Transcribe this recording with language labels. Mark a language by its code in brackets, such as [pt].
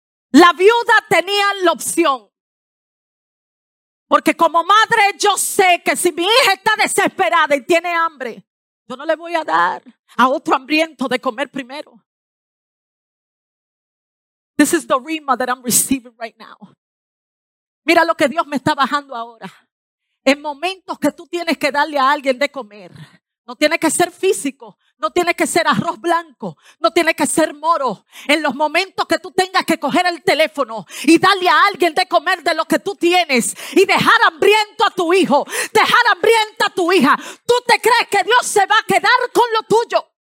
[es] La viuda tenía la opción. Porque como madre yo sé que si mi hija está desesperada y tiene hambre, yo no le voy a dar a otro hambriento de comer primero. [en] This is the rhema that I'm receiving right now. [es] Mira lo que Dios me está bajando ahora. En momentos que tú tienes que darle a alguien de comer. No tiene que ser físico. No tiene que ser arroz blanco. No tiene que ser moro. En los momentos que tú tengas que coger el teléfono y darle a alguien de comer de lo que tú tienes y dejar hambriento a tu hijo, dejar hambrienta a tu hija, ¿tú te crees que Dios se va a quedar con lo tuyo?